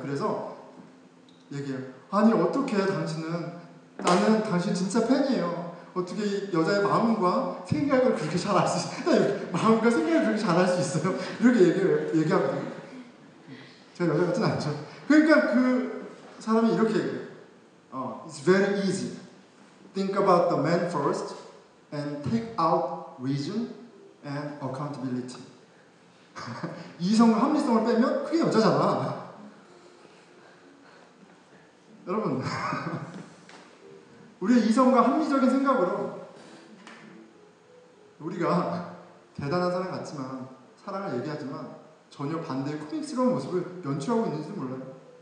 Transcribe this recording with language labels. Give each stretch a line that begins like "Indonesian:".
Korean: 그래서 얘기해요. 아니, 어떻게 당신은, 나는 당신 진짜 팬이에요. 어떻게 이 여자의 마음과 생각을 그렇게 잘 알 수 있어요? 마음과 생각을 그렇게 잘 알 수 있어요? 이렇게 얘기하거든요. 제가 여자 같진 않죠. 그러니까 그 사람이 이렇게 얘기해요.
English: It's very easy. Think about the man first and take out reason and accountability.
Korean: 이성과 합리성을 빼면 그게 여자잖아. 여러분, 우리의 이성과 합리적인 생각으로 우리가 대단한 사람 같지만, 사랑을 얘기하지만 전혀 반대의 코믹스러운 모습을 연출하고 있는지 몰라요.